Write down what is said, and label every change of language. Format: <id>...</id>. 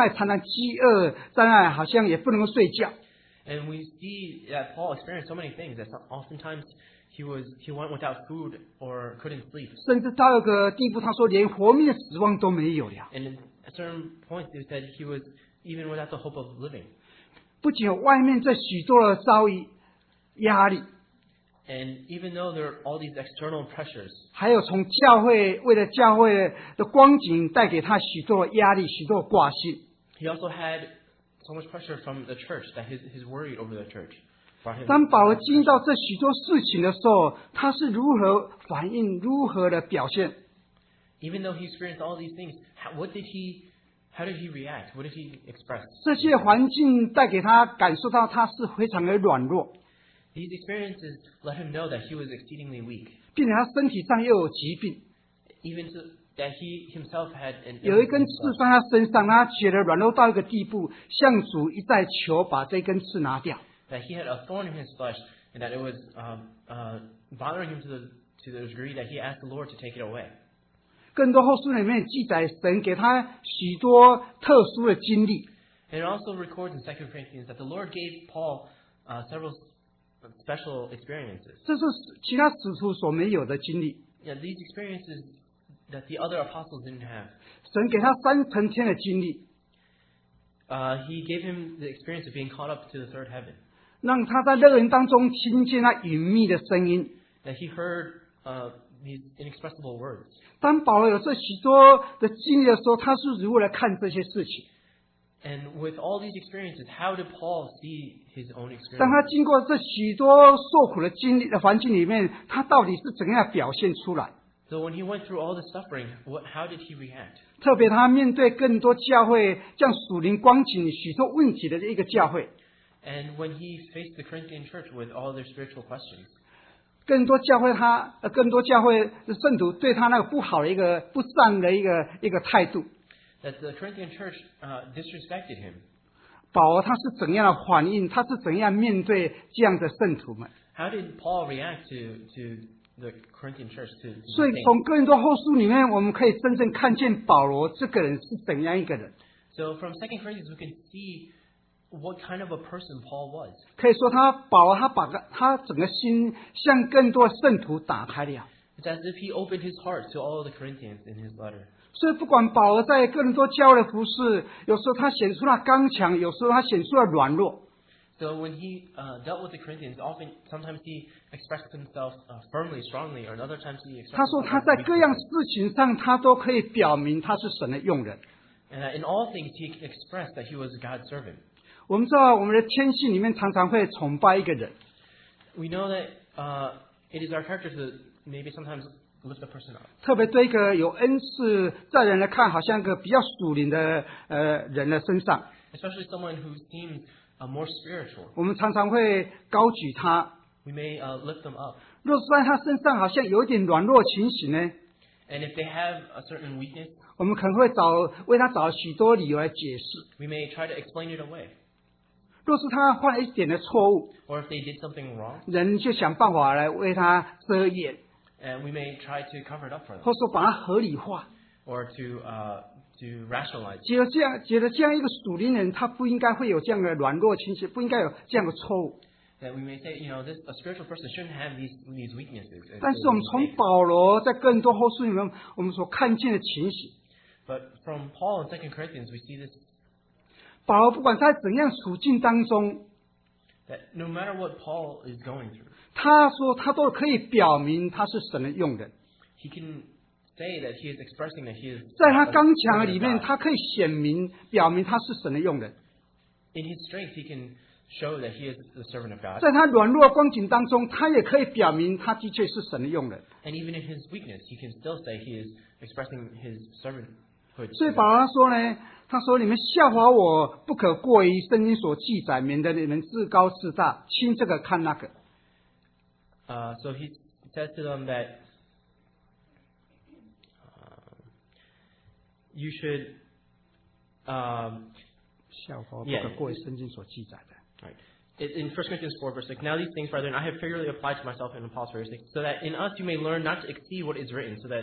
<zh>我们看见保罗在那里经历许多，他也常常饥饿，在那里好像也不能睡觉。</zh> <en>And we see that Paul experienced so many things that oftentimes he went without food or couldn't sleep.</en> <zh>甚至到一个地步，他说连活命的指望都没有了。</zh> <en>And at certain points, they said he was even without the hope of living.</en> <zh>不仅有外面这许多的遭遇压力，</zh> <en>and even though there are all these external pressures,</en> <zh>还有从教会为了教会的光景带给他许多的压力，许多的挂心。</zh> <en>He also had so much pressure from the church that he's worried over the church.</en> <zh>当保罗经历到这许多事情的时候，他是如何反应，如何的表现？</zh> <en>Even though he experienced all these things, how did he react? What did he express?</en> <zh>这些环境带给他感受到他是非常的软弱。</zh> <en>These experiences let him know that he was exceedingly weak.</en> <zh>并且他身体上又有疾病。</zh> <en>Even so, that he himself had an illness.</en> <zh>有一根刺在他身上，他觉得软弱到一个地步，向主一再求把这根刺拿掉。</zh> <en>That he had a thorn in his flesh, and that it was bothering him to the degree that he asked the Lord to take it away.</en> <zh>更多后书里面记载神给他许多特殊的经历。</zh> <en>And it also records in 2 Corinthians that the Lord gave Paul several special experiences.</en> <zh>这是其他使徒所没有的经历。</zh> <en>Yeah, these experiences that the other apostles didn't have.</en> <zh>神给他三层天的经历。</zh> <en>He gave him the experience of being caught up to the third heaven.</en> <zh>让他在乐园当中听见那隐秘的声音。</zh> <en>That he heard these inexpressible words.</en> <zh>当保罗有这许多的经历的时候，他是如何来看这些事情？</zh> <en>And with all these experiences, how did Paul see his own experience?</en> <zh>当他经过这许多受苦的经历的环境里面，他到底是怎样表现出来？</zh> <en>So when he went through all the suffering, how did he react?</en> <zh>特别他面对更多教会这样属灵光景许多问题的一个教会。</zh> <en>And when he faced the Corinthian church with all their spiritual questions,</en> <zh>更多教会的圣徒对他那个不好的一个不善的一个态度。</zh> <en>That the Corinthian church disrespected him.</en> <zh>保罗他是怎样的反应？他是怎样面对这样的圣徒们</zh> <en>？How did Paul react to the Corinthian church?</en> <zh>所以从更多后书里面，我们可以真正看见保罗这个人是怎样一个人。</zh> <en>So from 2 Corinthians, we can see. What kind of a person Paul was?</en> <zh>可以说他保罗他把他整个心向更多圣徒打开了。</zh> <en>It's as if he opened his heart to all the Corinthians in his letter.</en> <zh>所以不管保罗在哥林多教会的服事，有时候他显出了刚强，有时候他显出了软弱。</zh> <en>So when he dealt with the Corinthians, sometimes he expressed himself firmly, strongly, or other times he expressed himself.</en> <zh>他说他在各样事情上，他都可以表明他是神的用人。</zh> <en>And in all things, he expressed that he was God's servant.</en> <zh>我们知道我们的天性里面常常会崇拜一个人。</zh> <en>We know that it is our character to maybe sometimes lift a person up.</en> <zh>特别对一个有恩赐在人来看，好像一个比较属灵的人的身上。</zh> <en>Especially someone who seems more spiritual.</en> <zh>我们常常会高举他。</zh> <en>We may lift them up.</en> <zh>若是在他身上好像有一点软弱情形呢</zh> <en>？And if they have a certain weakness,</en> <zh>我们可能会找为他找许多理由来解释。</zh> <en>We may try to explain it away.</en> <zh>若是他犯了一点的错误</zh> <en>Or if they did something wrong,</en> <zh>人就想办法来为他遮掩</zh> <en>and we may try to cover it up for them,</en> <zh>或说把他合理化</zh> <en>Or to rationalize</en> <zh>觉得这样一个属灵人他不应该会有这样的软弱情绪不应该有这样的错误</zh> <en>that we may say, you know, a spiritual person shouldn't have these weaknesses</en> <zh>但是我们从保罗在更多后书里面我们所看见的情形</zh> <en>But from Paul in 2 Corinthians we see this</en> <zh>保罗不管在怎样处境当中</zh> <en>that no matter what Paul is going through,</en> <zh>他说他都可以表明他是神的用人</zh> <en>he can say that he is expressing that he is</en> <zh>在他刚强里面他可以显明表明他是神的用人</zh> <en>in his strength he can show that he is the servant of God</en> <zh>在他软弱光景当中他也可以表明他的确是神的用人</zh> <en>and even in his weakness he can still say he is expressing his servanthood</en> <zh>所以保罗说呢他说你们笑话我不可过于圣经所记载免得你们自高自大轻这个看那个。</zh> <en>So he says to them that you should</en> <zh>笑话不可过于圣经所记载的。</zh> <en>Right. In 1 Corinthians 4 verse 6 Now these things brethren I have fairly applied to myself in Apollos verse 6 so that in us you may learn not to exceed what is written so that</en>